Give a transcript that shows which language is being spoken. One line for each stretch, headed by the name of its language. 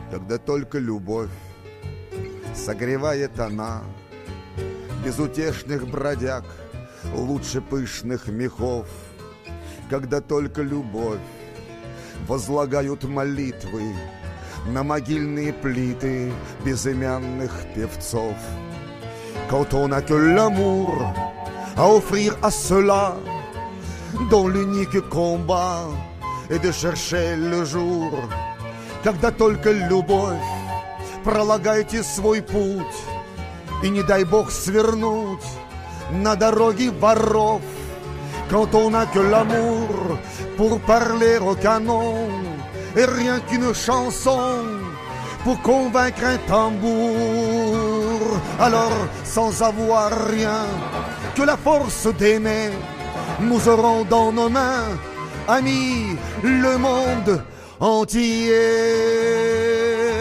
Russian: Когда только любовь согревает она безутешных бродяг лучше пышных мехов, когда только любовь возлагают молитвы на могильные плиты безымянных певцов.
French: Quand on a que l'amour à offrir à ceux-là, dont l'unique combat est de chercher le jour.
Russian: Когда только любовь, пролагайте свой путь, и не дай Бог свернуть на дороге воров.
French: Quand on a que l'amour pour parler au canon, et rien qu'une chanson pour convaincre un tambour. Alors, sans avoir rien que la force d'aimer, nous aurons dans nos mains, amis, le monde entier.